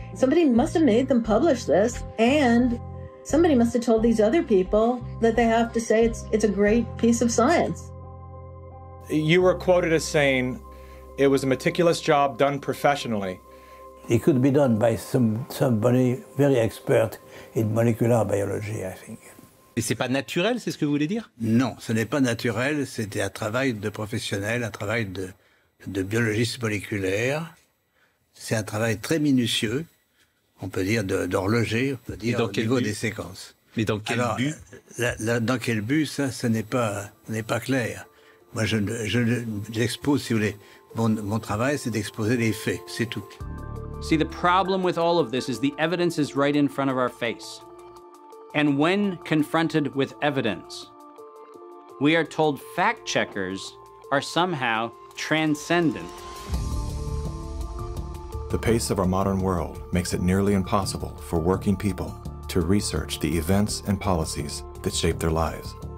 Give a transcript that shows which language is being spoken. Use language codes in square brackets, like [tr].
[en] Somebody must have made them publish this, and somebody must have told these other people that they have to say it's a great piece of science. You were quoted as saying it was a meticulous job done professionally. It could be done by somebody very expert in molecular biology, I think. [fr] Et c'est pas naturel, c'est ce que vous voulez dire? Non, ce n'est pas naturel, c'était un travail de professionnel, un travail de biologiste moléculaire. C'est un travail très minutieux, on peut dire d'horloger, on peut dire au niveau des séquences. Mais dans quel Alors, but dans quel but, ça, ce n'est pas clair. Moi, j'expose, si vous voulez, mon travail, c'est d'exposer les faits, c'est tout. [en] See, the problem with all of this is the evidence is right in front of our face. And when confronted with evidence, we are told fact-checkers are somehow transcendent. The pace of our modern world makes it nearly impossible for working people to research the events and policies that shape their lives.